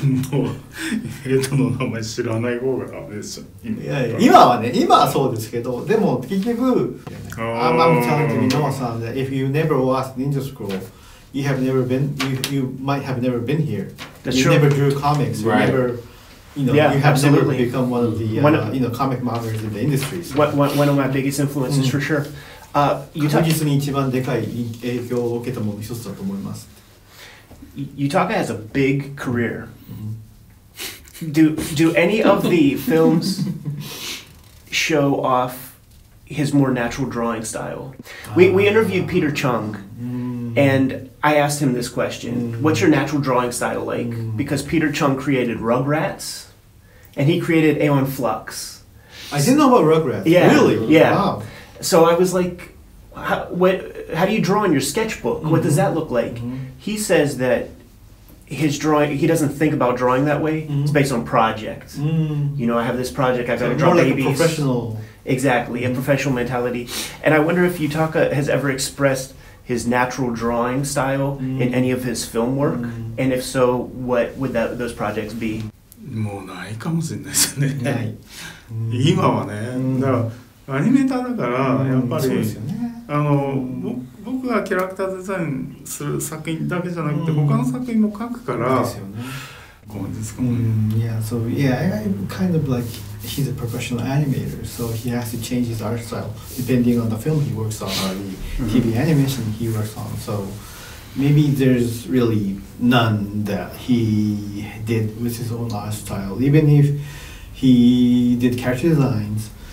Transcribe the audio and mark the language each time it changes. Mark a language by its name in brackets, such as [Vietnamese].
[Japanese] もう、ヘイトの名前知らない方がダメでしょ。いや、今はね、今はそうですけど、でも結局、 [English] I'm telling you, Noah さん、if you never watched Ninja Scroll, you have never been, you might have never been here. That's you true. Never drew comics, right. You never, you know, yeah, you have absolutely. Never become one of the, you know, comic mangas in the industry. So. One of my biggest influences, for sure. [Japanese] 確実に一番でかい影響を受けたもの一つだと思います。 [English] Yutaka has a big career. Do any of the films show off his more natural drawing style? We interviewed Peter Chung, and I asked him this question. What's your natural drawing style like? Because Peter Chung created Rugrats, and he created Aeon Flux. I didn't know about Rugrats. Yeah. Really? Yeah. Wow. So I was like, how do you draw in your sketchbook? What does that look like? He says that his drawing, he doesn't think about drawing that way. It's based on projects. You know, I have this project, I've got to draw more babies. Like a professional. Exactly, a professional mentality. And I wonder if Yutaka has ever expressed his natural drawing style in any of his film work. And if so, what would that, those projects be? [Japanese] もうないかもしれないですね。今はね、だからアニメーターだからやっぱり、あの、僕がキャラクターデザインする作品だけじゃなくて他の作品も描くから、ですよね、ごめんですか、 [English] Yeah, so yeah, I kind of like he's a professional animator, so he has to change his art style depending on the film he works on or the TV animation he works on. So maybe there's really none that he did with his own art style, even if he did character designs.